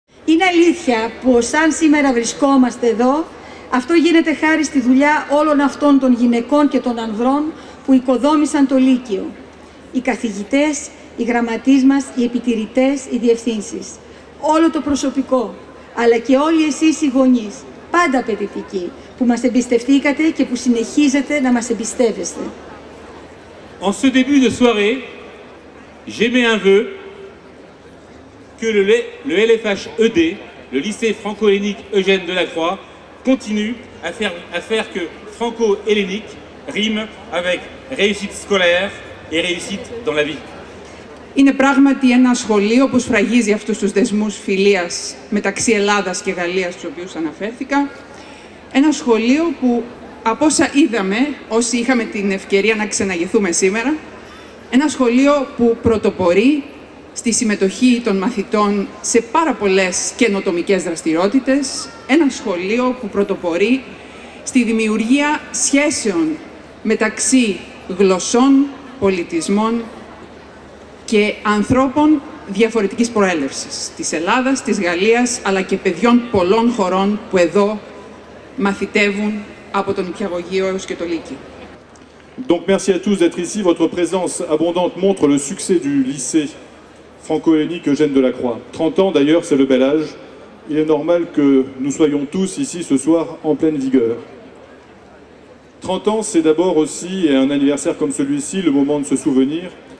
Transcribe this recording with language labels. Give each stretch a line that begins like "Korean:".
Greek: Είναι αλήθεια πως αν σήμερα βρισκόμαστε εδώ, αυτό γίνεται χάρη στη δουλειά όλων αυτών των γυναικών και των ανδρών που οικοδόμησαν το Λύκειο. Οι καθηγητές, οι γραμματείς μας, οι επιτηρητές, οι διευθύνσεις. Όλο το προσωπικό, αλλά και όλοι εσείς οι γονείς, πάντα απαιτητικοί, που μας εμπιστευτήκατε και που συνεχίζετε να μας εμπιστεύεστε.
French: En ce début de soirée, j'émets un vœu que le LFHED, le lycée franco-hellénique Eugène Delacroix, continue à faire que franco-hellénique rime avec réussite scolaire et réussite dans la vie.
Greek: Είναι πράγματι ένα σχολείο που σφραγίζει αυτούς τους δεσμούς φιλίας μεταξύ Ελλάδας και Γαλλίας στους οποίους αναφέρθηκα. Ένα σχολείο που από όσα είδαμε, όσοι είχαμε την ευκαιρία να ξεναγηθούμε σήμερα, ένα σχολείο που πρωτοπορεί στη συμμετοχή των μαθητών σε πάρα πολλές καινοτομικές δραστηριότητες, ένα σχολείο που πρωτοπορεί στη δημιουργία σχέσεων μεταξύ γλωσσών, πολιτισμών και ανθρώπων διαφορετικής προέλευσης της Ελλάδας, της Γαλλίας, αλλά και παιδιών πολλών χωρών που εδώ μαθητεύουν από τον νηπιαγωγείο έως και το Λύκειο.
French: Donc merci à tous d'être ici. Votre présence abondante montre le succès du lycée franco-hellénique Eugène Delacroix. 30 ans d'ailleurs, c'est le bel âge. Il est normal que nous soyons tous ici ce soir en pleine vigueur. 30 ans, c'est d'abord aussi, et un anniversaire comme celui-ci, le moment de se souvenir.